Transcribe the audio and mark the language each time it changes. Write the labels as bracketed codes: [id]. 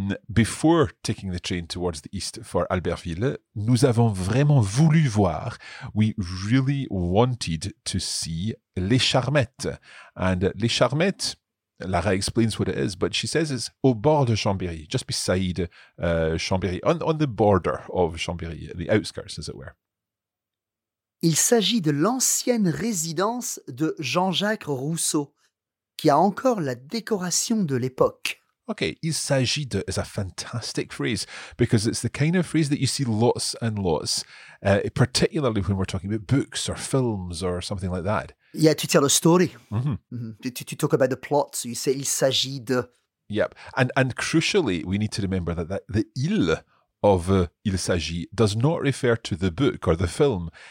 [en] Before taking the train towards the east for Albertville, [fr] nous avons vraiment voulu voir, [en] we really wanted to see Les Charmettes. And Les Charmettes, Lara explains what it is, but she says it's [fr] au bord de Chambéry, [en] just beside Chambéry, on the border of Chambéry, the outskirts, as it were. [fr] Il s'agit de l'ancienne résidence de Jean-Jacques Rousseau, qui a encore la décoration de l'époque. [en] Okay, [fr] il s'agit de [en] is a fantastic phrase because it's the kind of phrase that you see lots and lots, particularly when we're talking about books or films or something like that. Yeah, to tell a story. Mm-hmm. Mm-hmm. To talk about the plot, so you say [fr] il s'agit de. [en] Yep, and crucially, we need to remember that the il of [fr] il s'agit [en] does not refer to the book or the film.